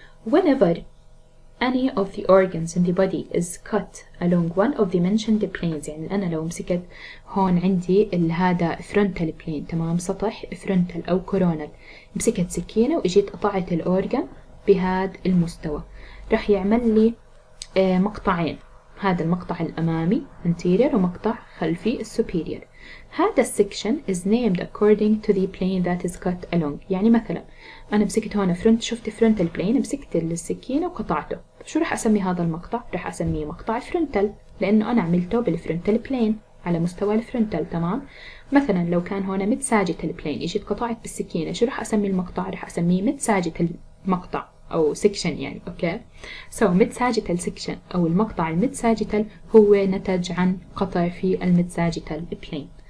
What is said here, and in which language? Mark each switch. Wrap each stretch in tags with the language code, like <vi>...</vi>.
<en>Whenever any of the organs in the body is cut along one of the mentioned planes</en> <ar>يعني أنا لو مسكت هون عندي هذا frontal plane تمام سطح frontal أو coronal مسكت سكينة وإجيت قطعت الأورجان بهذا المستوى رح يعمل لي مقطعين هذا المقطع الأمامي anterior ومقطع خلفي superior. هذا السكشن</ar> <en>is named according to the plane that is cut along.</en> <ar>يعني مثلا أنا مسكت هون frontal plane مسكت السكينة وقطعته شو رح أسمي هذا المقطع؟ رح أسميه مقطع frontal لأنه أنا عملته بالfrontal plane على مستوى الفرونتال تمام. مثلا لو كان هون mid-sagittal plane إجيت قطعت بالسكينة شو رح أسمي المقطع؟ رح أسميه mid-sagittal مقطع أو سكشن يعني أوكي؟ سو mid-sagittal section أو المقطع mid-sagittal هو نتج عن قطع في mid-sagittal plane.</ar>